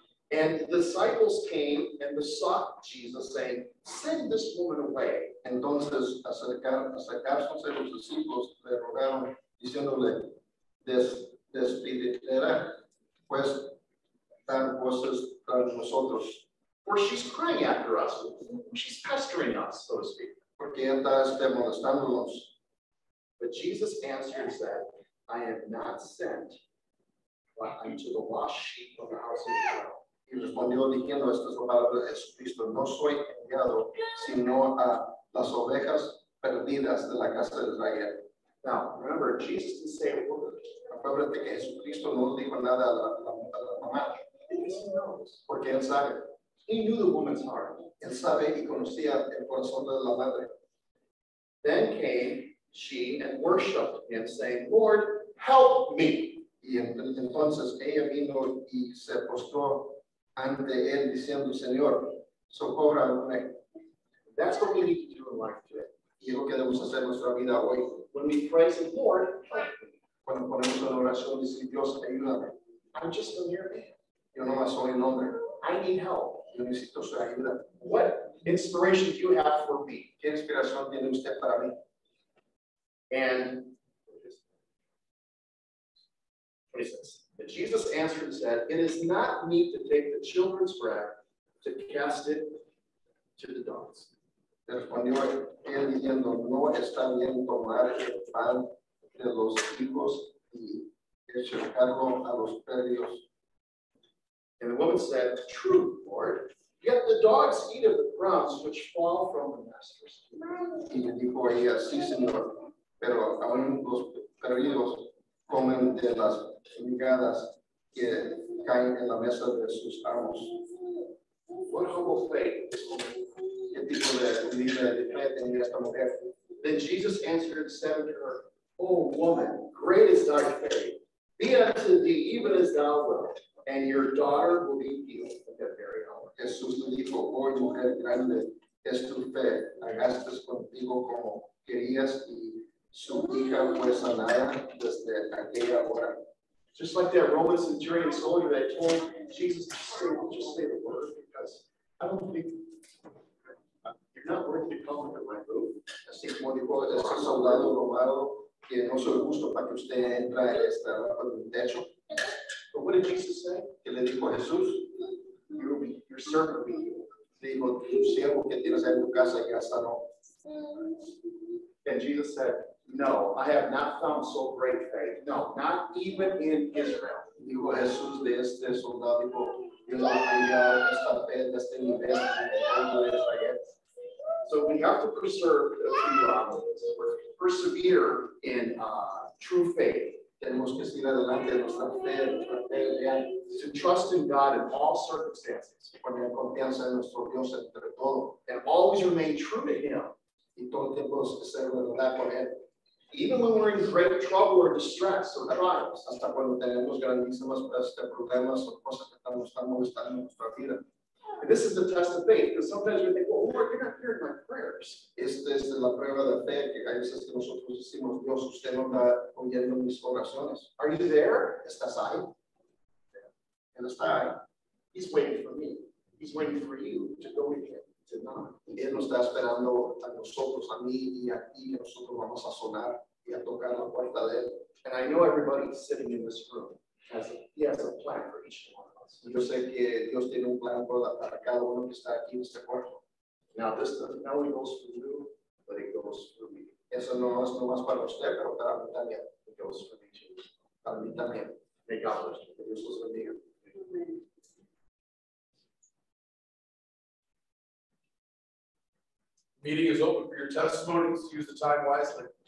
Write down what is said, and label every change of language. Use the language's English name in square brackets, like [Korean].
[English] And the disciples came and besought Jesus, saying, send this woman away. [Spanish] Entonces acercándose los discípulos le rogaron, diciéndole, despídela, pues tan voces tras nosotros. [English] For she's crying after us. She's pestering us, so to speak. [Spanish] Porque ella está molestándonos. [English] But Jesus answered and said, I am not sent unto the lost sheep of the house of Israel. [Spanish] Y respondió diciendo estas palabras de Jesucristo, no soy enviado sino a las ovejas perdidas de la casa de Israel. [English] Now, remember, Jesus didn't say a word. [Spanish] Acuérdate que Jesucristo no dijo nada a la mamá. [English] Because he knows. [Spanish] Porque él sabe. [English] He knew the woman's heart. [Spanish] Él sabe y conocía el corazón de la madre. [English] Then came she and worshipped him, saying, Lord, help me. [Spanish] Y entonces ella vino y se postró ante él, diciendo, Señor, socórrame. [English] That's what we need to do in life today. [Spanish] Y lo que debemos hacer en nuestra vida hoy. [English] When we pray, say, Lord, help me. [Spanish] Cuando ponemos una oración, dice, Dios, ayúdame. [English] I'm just a mere man. [Spanish] Yo no más soy un hombre. [English] I need help. [Spanish] Yo necesito su ayuda. [English] What inspiration do you have for me? [Spanish] ¿Qué inspiración tiene usted para mí? [English] And 26. But Jesus answered and said, it is not meet to take the children's bread to cast it to the dogs. [Spanish] Respondió él diciendo, no está bien tomar el pan de los hijos y echarlo a los perros. [English] And the woman said, true, Lord, yet the dogs eat of the crumbs which fall from the master's table. [Spanish] Y dijo ella, sí, Señor, pero aún los perros comen de las migajas que caen en la mesa de sus amos. [English] What humble faith. [Spanish] ¿Qué tipo de humildad de fe tenía esta mujer? [English] Then Jesus answered and said to her, O woman, great is thy faith. Be unto thee even as thou wilt, and your daughter will be healed at that very hour. [Spanish] Jesús le dijo, oh mujer grande, es tu fe. Hagaste contigo como querías y su hija fue sanada desde aquella hora. [English] Just like that Roman centurion soldier that told Jesus to just say the word, because I don't think you're not worth to come under my roof. [Spanish] Así como dijo ese soldado romano que no soy justo para que usted entre en esta bajo mi techo. [English] But what did Jesus say? [Spanish] Que le dijo Jesús, [English] your servant be healed. [Spanish] Le dijo, tu siervo que tienes en tu casa ya sanó. [English] And Jesus said, no, I have not found so great faith. No, not even in Israel. [Spanish] Dijo Jesús de este soldado, dijo, yo no tenía esta fe de este nivel en el mundo de Israel. [English] So we have to preserve the persevere in true faith. [Spanish] Tenemos que seguir adelante en nuestra fe, [English] to trust in God in all circumstances. [Spanish] Poner confianza en nuestro Dios entre todo. [English] And always remain true to Him. [Spanish] Y todo tiempo ser verdad con Él. [English] Even when we're in great trouble or distress or trials. [Spanish] Hasta cuando tenemos grandísimas problemas o cosas que estamos molestando en nuestra vida. [English] And this is the test of faith, because sometimes we think, well, Lord, you're not hearing my prayers. [Spanish] Es la prueba de fe, que hay veces que nosotros decimos, Dios, usted no está oyendo mis oraciones. [English] Are you there? [Spanish] ¿Estás ahí? [English] Yeah. And [Spanish] está ahí. [English] He's waiting for me. He's waiting for you to go with him tonight. [Spanish] Y él nos está esperando a nosotros, a mí y a ti, que nosotros vamos a sonar y a tocar la puerta de él. [English] And I know everybody sitting in this room has a plan for each one. [Spanish] Yo sé que Dios tiene un plan para cada uno que está aquí en este cuarto. [English] Now this doesn't only goes for you, but it goes for me. [Spanish] Eso no es para usted, pero para mí también. [English] It goes for me too. [Spanish] Para mí también. [English] May God bless you. [Spanish] Que Dios los bendiga. [English] Meeting is open for your testimonies. Use the time wisely.